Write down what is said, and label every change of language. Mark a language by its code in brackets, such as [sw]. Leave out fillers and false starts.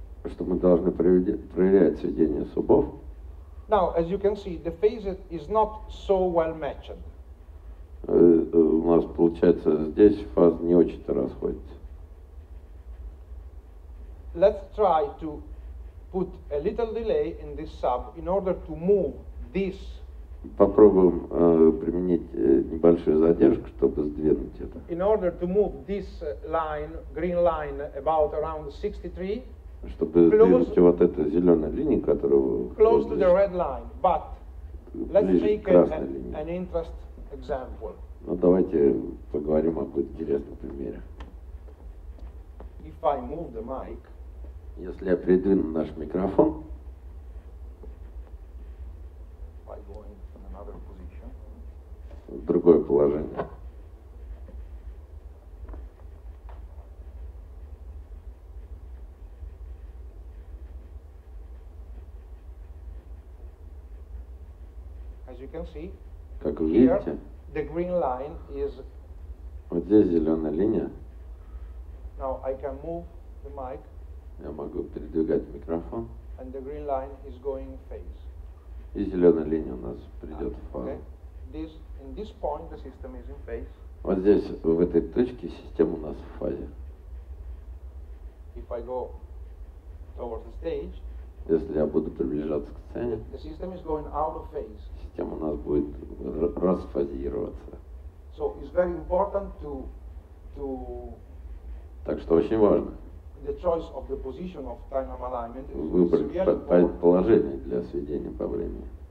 [ru] Что мы должны проверять сведения субов. [en] Now, as you can see, the phase is not so well matched. [ru] У нас получается здесь фаза не очень-то расходится. [en] Let's try to put a little delay in this sub in order to move this. [ru] Попробуем применить небольшую задержку, чтобы сдвинуть это. [en] In order to move this line, green line, about around 63. [ru] Чтобы сдвинуть вот эту зеленую линию, которую... [en] Close to the red line, but let's make an interest example. [ru] Ну, давайте поговорим об интересном примере. [en] If I move the mic... [ru] Если я передвину наш микрофон... [en] By going in another position. [ru] В другое положение. [en] As you can see, [ru] как вы [en] here, [ru] видите, [en] the green line is... [ru] вот здесь зеленая линия. [en] Now I can move the mic, [ru] я могу передвигать микрофон. [en] And the green line is going phase. [ru] И зеленая линия у нас придет в фазу. [en] In this point the system is in phase. [ru] Вот здесь, в этой точке, система у нас в фазе. [en] If I go towards the stage, [ru] если я буду приближаться к сцене, [en] the system is going out of phase. [ru] Система у нас будет расфазироваться. [en] So it's very important to, to... [ru] Так что очень важно. [en] The choice of the position of time alignment is [ru] выбор положения для сведения по времени.